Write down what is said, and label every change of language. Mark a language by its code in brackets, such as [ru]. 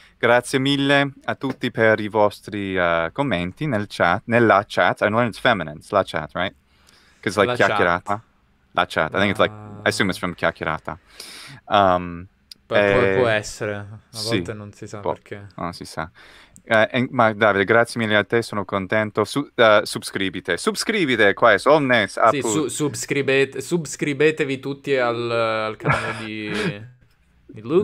[it] Grazie mille a tutti per I vostri commenti nel chat, nella chat. [en] I learned it's feminine. It's la chat, right? Because like chiacchierata, la chat. I think it's like, I assume it's from chiacchierata. [it] Può essere, a volte non si sa perché. Non si sa. Ma Davide, grazie mille a te, sono contento. [la] Subscribite qua, omnes. [it] Sì, subscribetevi tutti al canale di Luke.